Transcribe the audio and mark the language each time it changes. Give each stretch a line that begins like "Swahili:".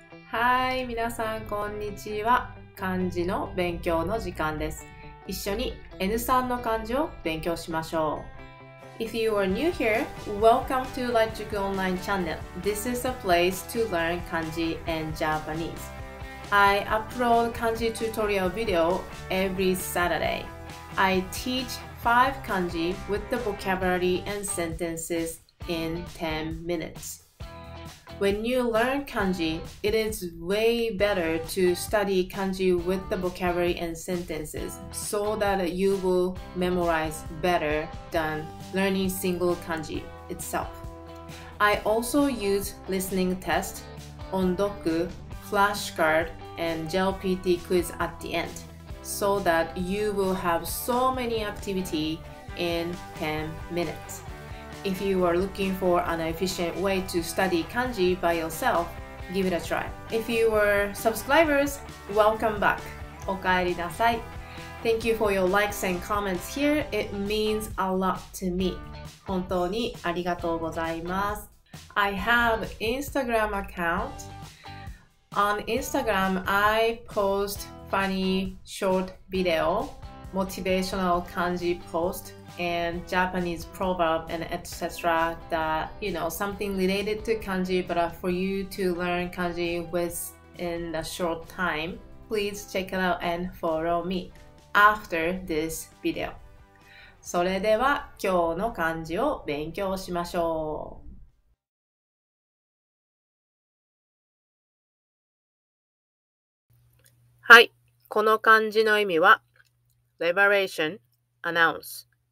Japanese: はい、皆さんこんにちは。漢字の勉強の時間です。一緒に N3 の漢字を勉強しましょう。
English: If you are new here, welcome to Lightjuk Online Channel. This is a place to learn kanji and Japanese. I upload kanji tutorial video every Saturday. I teach 5 kanji with the vocabulary and sentences in 10 minutes. When you learn kanji, it is way better to study kanji with the vocabulary and sentences so that you will memorize better than learning single kanji itself. I also use listening test, ondoku, flashcard, and JLPT quiz at the end so that you will have so many activity in 10 minutes. If you are looking for an efficient way to study kanji by yourself, give it a try. If you are subscribers, welcome back.
Japanese: おかえりなさい。
English: Thank you for your likes and comments here. It means a lot to me.
Japanese: 本当にありがとうございます。
English: I have Instagram account. On Instagram, I post funny short video, motivational kanji post. And Japanese proverb and etc. that you know something related to kanji, but for you to learn kanji within a short time, please check it out and follow me after this video.
Japanese: それでは今日の漢字を勉強しましょう。はい、この漢字の意味は
English: liberation, announce.